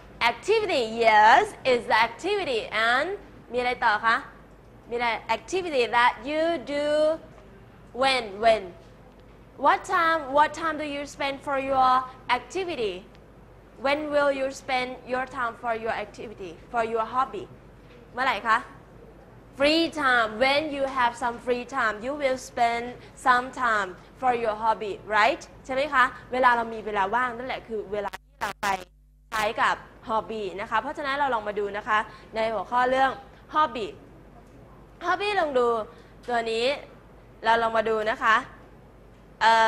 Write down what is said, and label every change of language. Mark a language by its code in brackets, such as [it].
[en] activity yes is the activity and [th] มีอะไรต่อคะมีอะไร [en] activity that you do when what time do you spend for your activity when will you spend your time for your activity for your hobby [th] เมื่อไหร่คะ [en] Free time. When you have some free time, you will spend some time for your hobby, right? [th] ใช่ไหมคะเวลาเรามีเวลาว่างนั่นแหละคือเวลาที่เราไปใช้กับ hobby นะคะเพราะฉะนั้นเราลองมาดูนะคะในหัวข้อเรื่อง hobby ลองดูตัวนี้เราลองมาดูนะคะเ